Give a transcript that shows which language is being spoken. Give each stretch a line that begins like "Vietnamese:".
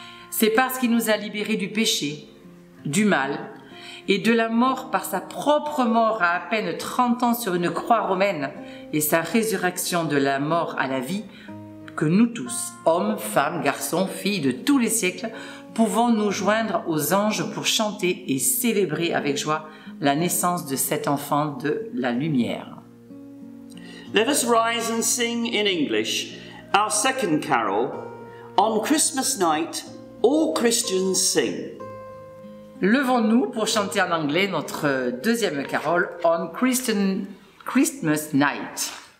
French: C'est parce qu'il nous a libérés du péché, du mal et de la mort par sa propre mort à peine 30 ans sur une croix romaine et sa résurrection de la mort à la vie que nous tous, hommes, femmes, garçons, filles de tous les siècles, pouvons nous joindre aux anges pour chanter et célébrer avec joie la naissance de cet enfant de la lumière.
English: Let us rise and sing in English our second carol, On Christmas Night, All Christians Sing.
French: Levons-nous pour chanter en anglais notre deuxième carole, On Christmas Night.